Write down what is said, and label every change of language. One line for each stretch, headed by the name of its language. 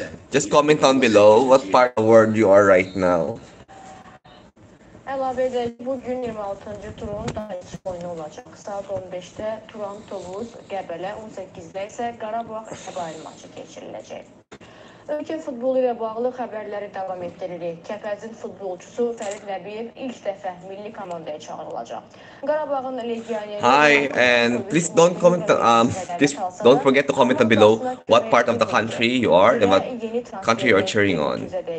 English: Just comment down below what part of the world you are right now.
Azerbaijani: Əlavə edək, bugün 26-cı turun dayıcı oyunu olacaq. Saat 15-də Turan Tovuz Qəbələ, 18-də isə Qarabağ Əbayr maçı keçiriləcək. Ölkə futbolu ilə bağlı xəbərləri davam etdiririk. Kəpəzin futbolçusu Fərid Nəbiyev ilk dəfə milli komandaya çağırılacaq. Qarabağın legioneri...
English: Hi, and please don't comment, please don't forget to comment below what part of the country you are and what country you are cheering on.